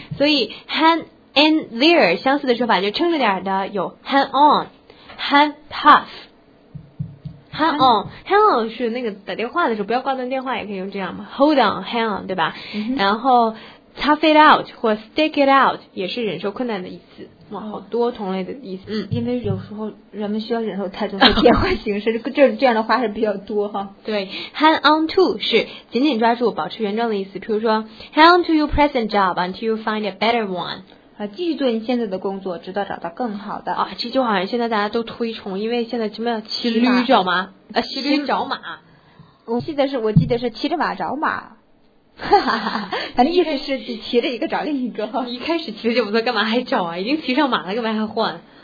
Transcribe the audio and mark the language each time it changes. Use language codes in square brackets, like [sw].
[zh] 所以 [en] hang in there [zh] 相似的说法就撑着点的有 [en] hang on, hang tough, hang on, hang on [zh] 是那个打电话的时候不要挂断电话，也可以用这样嘛 ， [en] hold on, hang on, [zh] 对吧？嗯，然后 [en] tough it out [zh] 或 [en] stick it out [zh] 也是忍受困难的意思。哇，好多同类的意思。因为有时候人们需要忍受太多的变化形式，这样的话是比较多哈。对 ， [en] hang on to [zh] 是紧紧抓住、保持原状的意思。比如说 [en] ，hang on to your present job until you find a better one。 [zh] 继续做你现在的工作，直到找到更好的。这就好像现在大家都推崇，因为现在什么叫骑驴找马？骑驴找马。我记得是骑着马找马。哈哈哈，反正意思是你骑着一个找另一个。一开始骑着就不错，干嘛还找啊？已经骑上马了，干嘛还换？